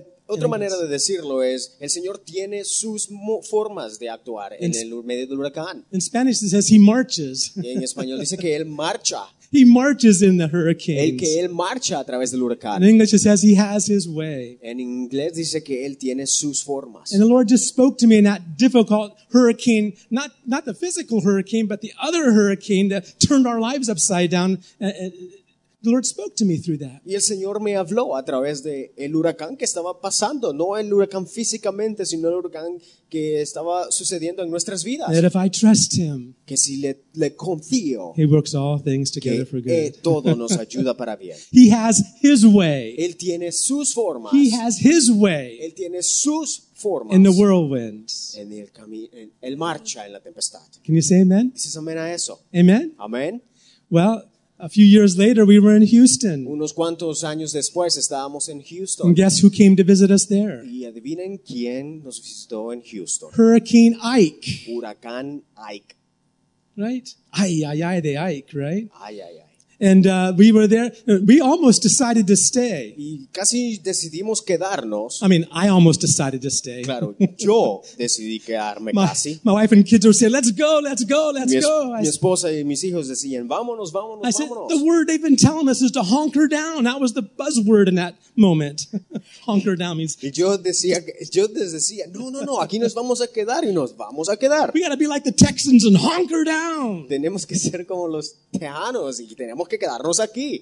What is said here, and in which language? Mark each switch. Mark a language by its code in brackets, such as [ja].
[es] Otra manera de decirlo es, el Señor tiene sus formas de actuar en el medio del huracán. [en] In Spanish it says he marches. [es] En español dice que él marcha. [en] He marches in the hurricanes. [es] El que él marcha a través del huracán. [en] In English it says he has his way. [es] En inglés dice que él tiene sus formas. [en] And the Lord just spoke to me in that difficult hurricane, not the physical hurricane, but the other hurricane that turned our lives upside down. The Lord spoke to me through that. [es] Y el Señor me habló a través de el huracán que estaba pasando, no el huracán físicamente, sino el huracán que estaba sucediendo en nuestras vidas. [en] That if I trust him, [es] que si le confío, [en] he works all things together for good. [es] Todo nos ayuda para bien. [en] He has his way. [es] Él tiene sus formas. [en] He has his way. [es] Él tiene sus formas. [en] In the whirlwind. [es] En el camino, él marcha en la tempestad. [en] Can you say amen? [es] ¿Dices amén a eso? [en] Amen. [es] Amen. [en] Well, a few years later, we were in Houston. [es] Unos cuantos años después, estábamos en Houston. [en] And guess who came to visit us there? [es] Y adivinen quién nos visitó en Houston. [en] Hurricane Ike. [es] Huracán Ike. [en] Right? [es] Ay, ay, ay, de Ike, [en] right? [es] Ay, ay, ay. [en] And we were there. We almost decided to stay. [es] Y casi decidimos quedarnos. [en] I mean, I almost decided to stay. [es] Claro, yo decidí quedarme casi. [en] My wife and kids were saying, let's go, let's go, let's go. [es] Mi esposa y mis hijos decían, vámonos, vámonos, vámonos. [en] I said, the word they've been telling us is to hunker down. That was the buzzword in that moment. Hunker down means. [es] Y yo les decía, no, no, no, aquí nos vamos a quedar y nos vamos a quedar. [en] We got to be like the Texans and hunker down. [es] Tenemos que ser como los tejanos y tenemos que quedarnos aquí.